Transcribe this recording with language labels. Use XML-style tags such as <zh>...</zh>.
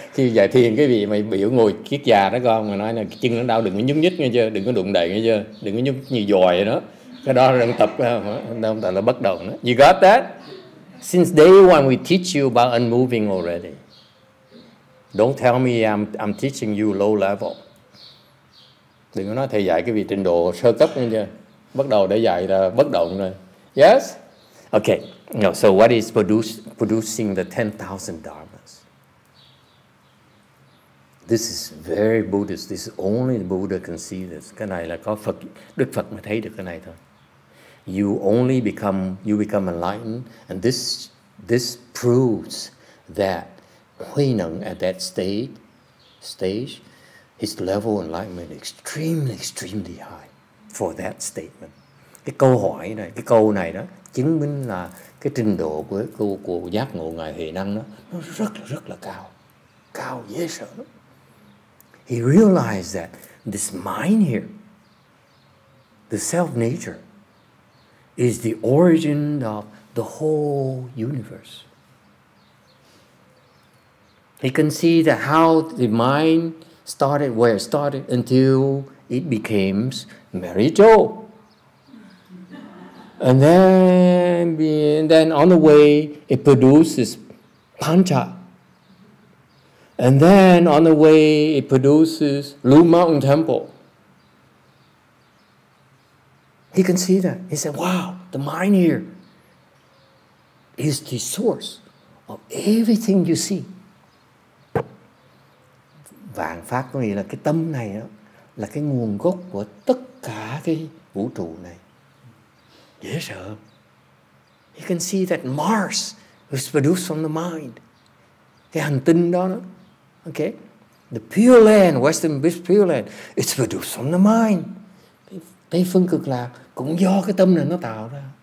<vi>Khi giải thiền quý vị mà biểu ngồi kiết già đó con, mà nói là chân nó đau đừng có nhúc nhích nghe chưa, đừng có đụng đậy nghe chưa, đừng có nhúc như dòi đó. Cái đó đang tập, đang tập là bất động đó.</vi> <en>You got that? Since day one, we teach you about unmoving already. Don't tell me I'm teaching you low level.</en> <vi>Đừng có nói thầy dạy cái vị trình độ sơ cấp nha chưa. Bắt đầu để dạy là bất động rồi.</vi> <en>Yes? Okay. No, so what is producing the 10,000 dharmas? This is very Buddhist. This is only the Buddha can see this.</en> <vi>Cái này là có Phật, Đức Phật mới thấy được cái này thôi.</vi> <en>You become enlightened, and this proves that HuiNeng at that stage, his level of enlightenment is extremely, extremely high for that statement.</en> <vi>Cái câu hỏi này, cái câu này đó chứng minh là cái trình độ của giác ngộ ngài HuiNeng đó nó rất rất là cao, cao dễ sợ.</vi> <en>He realized that this mind here, the self nature, is the origin of the whole universe. He can see that how the mind started, where it started, until it became Mary Jo. And then on the way, it produces Pancha. And then on the way, it produces Blue Mountain Temple. He can see that. He said, wow, the mind here is the source of everything you see.</en> <vi>Vạn pháp có nghĩa là cái tâm này đó, là cái nguồn gốc của tất cả cái vũ trụ này. Dễ sợ.</vi> <en>You can see that Mars is produced from the mind.</en> <vi>Cái hành tinh đó, đó.</vi> <en>Okay. The pure land, Western pure land, it's produced from the mind.</en> <vi>Tây phương cực lạc cũng do cái tâm này nó tạo ra.</vi>